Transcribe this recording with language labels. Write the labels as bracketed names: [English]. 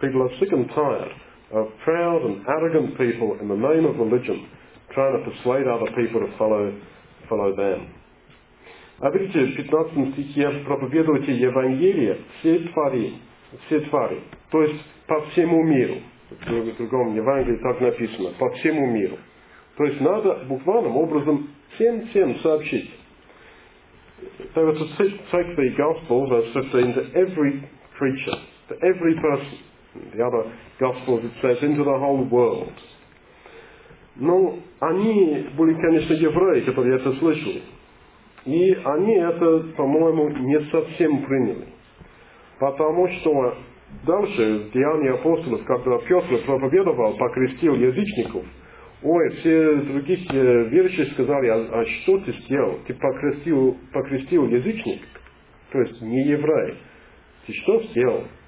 [English] People are sick and tired of proud and arrogant people in the name of religion trying to persuade other people to follow them. [Russian] А видите, в 15 стихе проповедуйте Евангелие все твари, то есть по всему миру. В другом Евангелии так написано, по всему миру. То есть надо буквальным образом всем сообщить. [English] They were to take the gospel, verse 15, to every creature, to every person. The other gospel, it says, into the whole world. [Russian] Но они были, конечно, евреи, которые это слышали. И они это, по-моему, не совсем приняли. Потому что дальше в Деянии апостолов, когда Петр проповедовал, покрестил язычников, ой, все других верующие сказали, а что ты сделал? Ты покрестил язычник, то есть не еврей. ты что сделал?